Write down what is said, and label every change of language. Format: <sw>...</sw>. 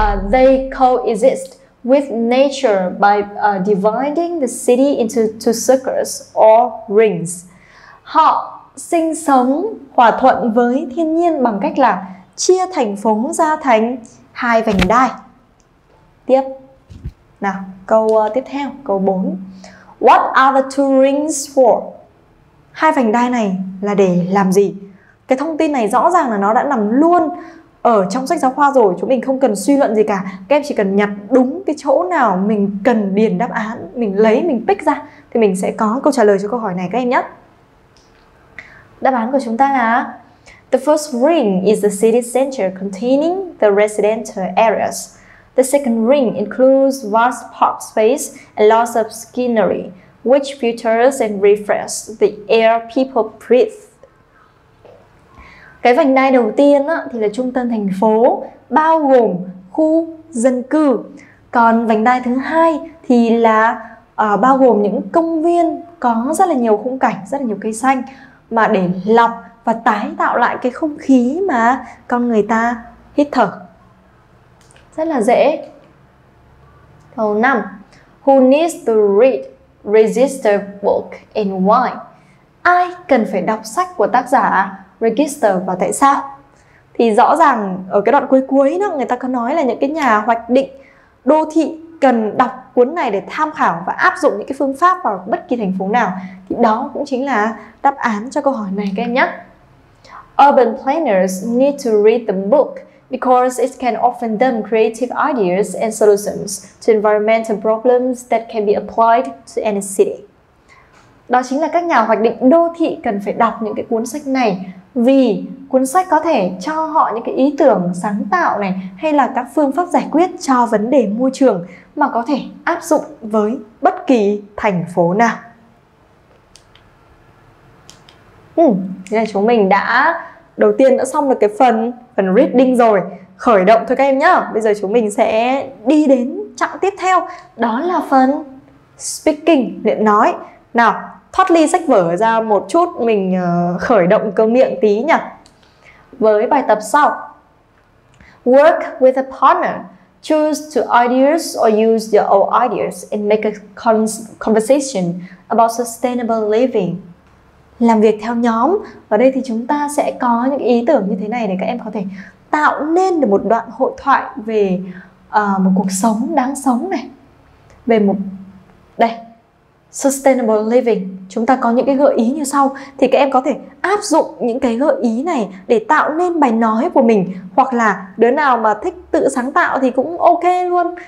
<en>They coexist with nature by dividing the city into two circles or rings.</en> <vi>Họ sinh sống hòa thuận với thiên nhiên bằng cách là chia thành phố ra thành hai vành đai. Tiếp. Nào, câu tiếp theo, câu 4.</vi> <en>What are the two rings for?</en> <vi>Hai vành đai này là để làm gì? Cái thông tin này rõ ràng là nó đã nằm luôn ở trong sách giáo khoa rồi, chúng mình không cần suy luận gì cả. Các em chỉ cần nhặt đúng cái chỗ nào mình cần điền đáp án, mình lấy, mình pick ra thì mình sẽ có câu trả lời cho câu hỏi này các em nhé. Đáp án của chúng ta là</vi> <en>the first ring is the city center containing the residential areas. The second ring includes vast park space and lots of scenery which filters and refreshes the air people breathe.</en> <vi>Cái vành đai đầu tiên á, thì là trung tâm thành phố, bao gồm khu dân cư. Còn vành đai thứ hai thì là bao gồm những công viên có rất là nhiều khung cảnh, rất là nhiều cây xanh mà để lọc và tái tạo lại cái không khí mà con người ta hít thở. Rất là dễ. Câu 5.</vi> <en>Who needs to read Register book and why?</en> <vi>Ai cần phải đọc sách của tác giả Register và tại sao? Thì rõ ràng ở cái đoạn cuối cuối đó, người ta có nói là những cái nhà hoạch định đô thị cần đọc cuốn này để tham khảo và áp dụng những cái phương pháp vào bất kỳ thành phố nào. Thì đó cũng chính là đáp án cho câu hỏi này các em nhé.</vi> <en>Urban planners need to read the book because it can offer them creative ideas and solutions to environmental problems that can be applied to any city.</en> <vi>Đó chính là các nhà hoạch định đô thị cần phải đọc những cái cuốn sách này vì cuốn sách có thể cho họ những cái ý tưởng sáng tạo này hay là các phương pháp giải quyết cho vấn đề môi trường mà có thể áp dụng với bất kỳ thành phố nào. Thế là chúng mình đã đầu tiên đã xong được cái phần reading rồi. Khởi động thôi các em nhá. Bây giờ chúng mình sẽ đi đến chặng tiếp theo, đó là phần speaking, luyện nói. Nào, thoát ly sách vở ra một chút, mình khởi động cơ miệng tí nhỉ. Với bài tập sau.</vi> <en>Work with a partner. Choose two ideas or use your own ideas and make a conversation about sustainable living.</en> <vi>Làm việc theo nhóm. Ở đây thì chúng ta sẽ có những ý tưởng như thế này để các em có thể tạo nên được một đoạn hội thoại về một cuộc sống đáng sống này, về một đây sustainable living, chúng ta có những cái gợi ý như sau, thì các em có thể áp dụng những cái gợi ý này để tạo nên bài nói của mình, hoặc là đứa nào mà thích tự sáng tạo thì cũng ok luôn.</vi>